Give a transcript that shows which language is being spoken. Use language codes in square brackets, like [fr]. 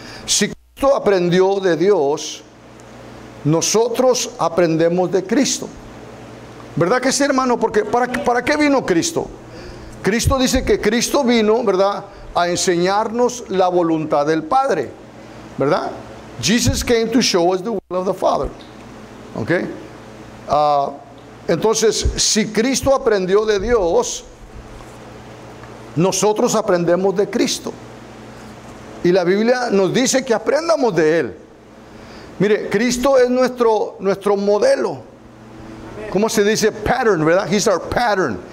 [es] Si Cristo aprendió de Dios, nosotros aprendemos de Cristo. ¿Verdad que sí, hermano? Porque ¿para qué vino Cristo? Cristo dice que Cristo vino, ¿verdad?, a enseñarnos la voluntad del Padre. ¿Verdad? [en] Jesus came to show us the will of the Father. ¿Ok? [es] Entonces, si Cristo aprendió de Dios, nosotros aprendemos de Cristo. Y la Biblia nos dice que aprendamos de Él. Mire, Cristo es nuestro modelo. ¿Cómo se dice? Pattern, ¿verdad? [en] He's our pattern.